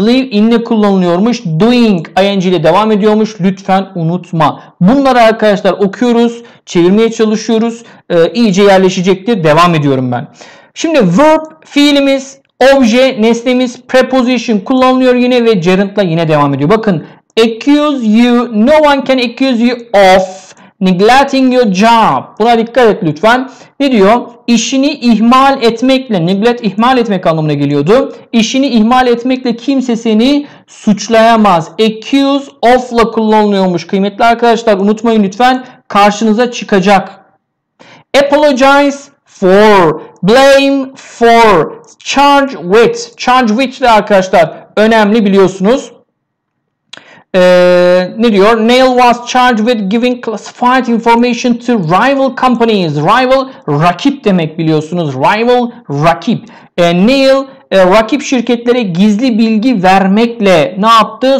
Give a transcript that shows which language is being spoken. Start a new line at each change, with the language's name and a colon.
Turkish: Believe in'le kullanılıyormuş. Doing ing ile devam ediyormuş. Lütfen unutma. Bunları arkadaşlar okuyoruz. Çevirmeye çalışıyoruz. İyice yerleşecektir. Devam ediyorum ben. Şimdi verb fiilimiz. Obje, nesnemiz, preposition kullanılıyor yine ve gerund'la yine devam ediyor.
English: Bakın, accuse you, no one can accuse you of neglecting your job.
Turkish: Buna dikkat et lütfen. Ne diyor? İşini ihmal etmekle, neglect ihmal etmek anlamına geliyordu. İşini ihmal etmekle kimse seni suçlayamaz. Accuse of'la kullanılıyormuş. Kıymetli arkadaşlar unutmayın lütfen. Karşınıza çıkacak. Apologize for, blame for, charge with. Charge with de arkadaşlar önemli biliyorsunuz. Ne diyor?
English: Neil was charged with giving classified information to rival companies.
Turkish: Rival, rakip demek biliyorsunuz. Rival, rakip. Neil, rakip şirketlere gizli bilgi vermekle ne yaptı?